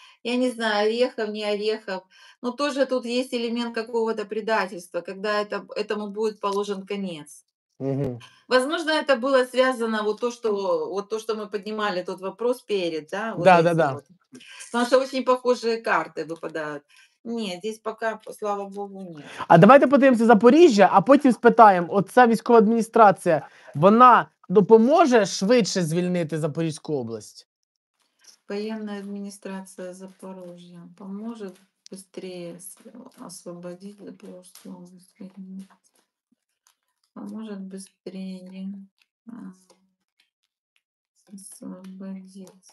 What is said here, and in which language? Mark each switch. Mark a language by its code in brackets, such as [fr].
[ru] Я не знаю, Орехов, не Орехов, но тоже тут есть элемент какого-то предательства, когда этому будет положен конец. Угу. Возможно, это было связано вот то, что мы поднимали тот вопрос перед, да? Вот да, да, да. Потому что очень похожие карты выпадают. Нет, здесь пока, слава богу, нет. [uk] А давайте подивимся Запоріжжя, [ru] а потом спитаем, [uk] оця військова адміністрація, вона допоможе швидше звільнити Запорізьку область? [ru] Военная администрация Запорожья поможет быстрее освободить Запорожскую область? Поможет быстрее освободить?